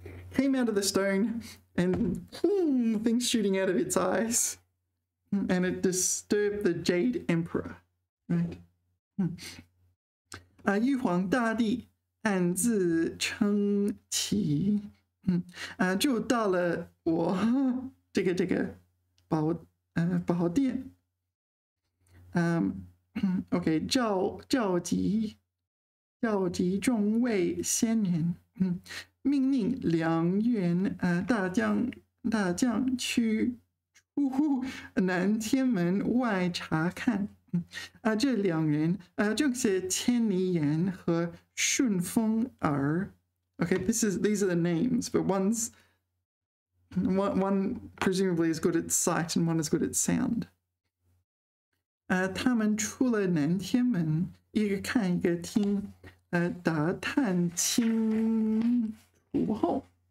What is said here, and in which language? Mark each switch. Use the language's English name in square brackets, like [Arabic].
[English] Came out of the stone and boom, things shooting out of its eyes, and it disturbed the Jade Emperor. Right. [Chinese] 玉皇大帝暗自称奇，就到了我这个宝殿，OK，召集众位仙人，命令两员大将驱出南天门外查看。这两人正是千里眼和顺风耳。 [English] Okay, these are the names, but one presumably is good at sight and one is good at sound. [Chinese] 他们出了南天门，一个看一个听，打探清。午后，